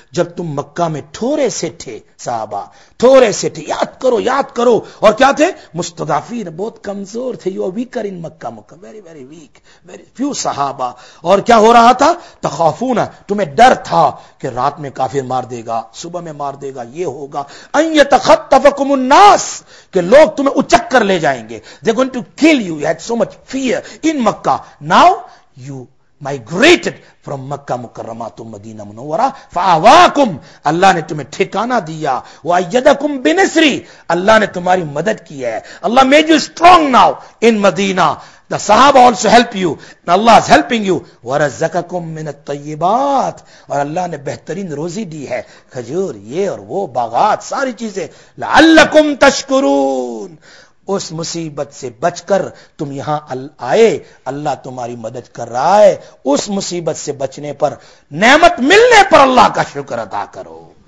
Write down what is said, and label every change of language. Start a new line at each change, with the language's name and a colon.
Urdu: جب تم مکہ میں تھوڑے سے تھے، صحابہ تھوڑے سے تھے، یاد کرو، یاد کرو، اور کیا تھے، مستضعفین، بہت کمزور تھے،
English: you are weaker in Mecca, Mecca very very weak, very few صحابہ،
Urdu: اور کیا ہو رہا تھا، تخافونا، تمہیں ڈر تھا کہ رات میں کافر مار دے گا، صبح میں مار دے گا، یہ ہوگا،
Arabic: ان یتخطفکم الناس،
Urdu: کہ لوگ تمہیں اچک کر لے جائیں گے،
English: They going to kill you, you had so much fear in Mecca, now you migrated from Makkah Mukarrama to Madina Munawwara.
Urdu: فَآوَاكُمْ Allah نے تمہیں ٹھکانہ دیا.
Arabic: وَأَيَّدَكُمْ بِنِسْرِ
Urdu: Allah نے تمہاری مدد کی ہے.
English: Allah made you strong now in Madina. The Sahaba also help you. And Allah is helping you.
Arabic: وَرَزَّكَكُمْ مِنَ الطَّيِّبَاتِ
Urdu: اور Allah نے بہترین روزی دی ہے. کھجور یہ اور وہ باغات ساری چیزیں.
Arabic: لَعَلَّكُمْ تَشْكُرُونَ
Urdu: اس مصیبت سے بچ کر تم یہاں آئے اللہ تمہاری مدد کر رہا ہے اس مصیبت سے بچنے پر نعمت ملنے پر اللہ کا شکر ادا کرو